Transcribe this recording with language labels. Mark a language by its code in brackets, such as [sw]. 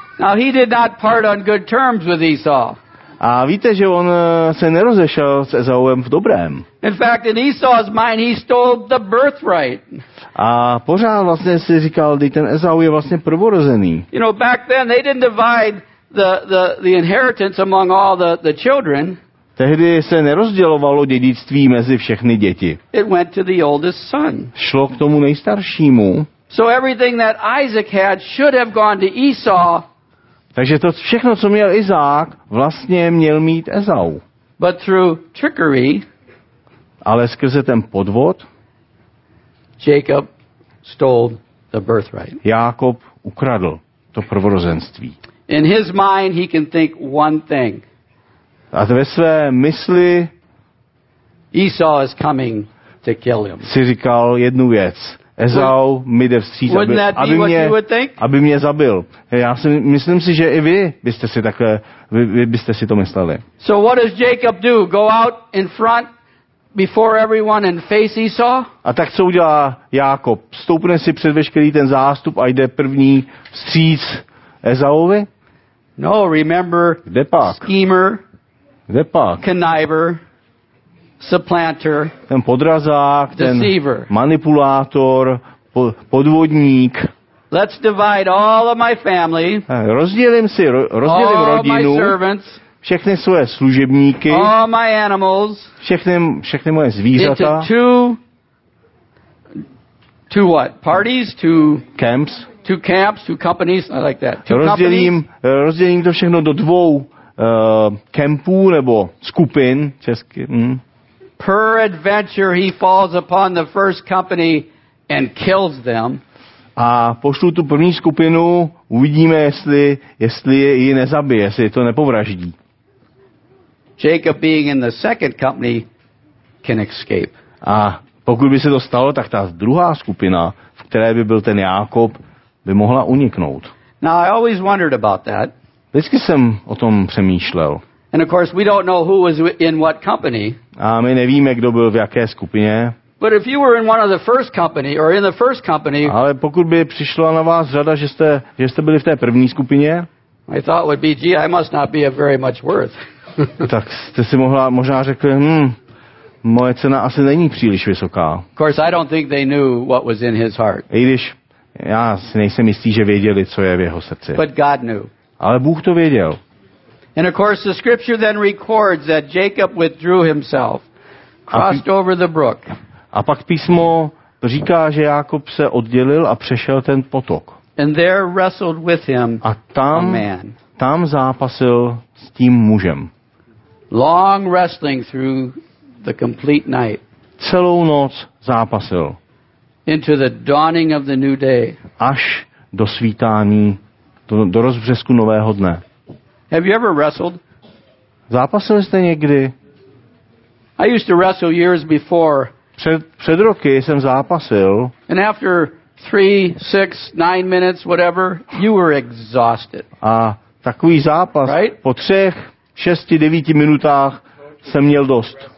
[en] Now he did not part on good terms with Esau. [cs] A víte, že on se nerozešel s Ezauem v dobrém. [en] In fact, in Esau's mind, he stole the birthright. [cs] A pořád vlastně si říkal, že ten Ezau je vlastně prvorozený. [en] You know, back then they didn't divide the inheritance among all the children. [cs] Tehdy se nerozdělovalo dědictví mezi všechny děti. [en] It went to the oldest son. [cs] Šlo k tomu nejstaršímu. [en] So everything that Isaac had should have gone to Esau. [cs] Takže to všechno, co měl Izák, vlastně měl mít Ezau. [en] But through trickery, [cs] ale skrze ten podvod, [en] Jacob stole the birthright. [cs] Jákob ukradl to prvorozenství. [en] In his mind he can think one thing. [cs] A ve své mysli [en] Esau is coming to kill him. [cs] Si říkal jednu věc. Ezau mi jde vstříc, aby mě zabil. Já si myslím si, že i vy byste si to mysleli. [en] So what does Jacob do? Go out in front before everyone and face Esau? [cs] A tak co udělá Jákob? Stoupne si před veškerý ten zástup a jde první vstříc Ezauovi? [en] No, remember, schemer, conniver, supplanter, [cs] ten podrazák, [en] deceiver, [cs] ten manipulátor, podvodník. [en] Let's divide all of my family. [cs] Rozdělím rodinu. [en] All my servants. [cs] všechny svoje služebníky, [en] all my animals, [cs] všechny moje zvířata, [en] to what? Parties? To camps? To camps? To companies? I like that. [cs] Rozdělím to všechno do dvou kempů nebo skupin česky. [en] Per adventure he falls upon the first company and kills them. [cs] A pošlu tu první skupinu, uvidíme, jestli je ji nezabije, jestli to nepovraždí. [en] Jacob being in the second company can escape. [cs] A pokud by se to stalo, tak ta druhá skupina, v které by byl ten Jákob, by mohla uniknout. [en] Now I always wondered about that. [cs] Vždycky jsem o tom přemýšlel. [en] And of course we don't know who was in what company. [cs] A my nevíme, kdo byl v jaké skupině. [en] But if you were in one of the first company or in the first company, [cs] ale pokud by přišla na vás řada, že jste byli v té první skupině, [en] I thought would be, gee, I must not be of very much worth. [cs] Tak jste si mohla možná řekli, moje cena asi není příliš vysoká. [en] Of course, I don't think they knew what was in his heart. [cs] I když já si nejsem jistý, že věděli, co je v jeho srdci. [en] But God knew. [cs] Ale Bůh to věděl. [en] And of course, the scripture then records that Jacob withdrew himself, crossed over the brook. [cs] A pak písmo říká, že Jákob se oddělil a přešel ten potok. [en] And there wrestled with him [cs] a tam zápasil s tím mužem. [en] Long wrestling through the complete night. [cs] Celou noc zápasil. [en] Into the dawning of the new day. [cs] Až do svítání, do rozbřesku nového dne. [en] Have you ever wrestled? [cs] Zápasil jste někdy? [en] I used to wrestle years before. [cs] Před roky jsem zápasil. [en] And after 3, 6, 9 minutes, whatever, you were exhausted. [cs] A takový zápas, right? Po 3, 6, 9 minutách jsem měl dost.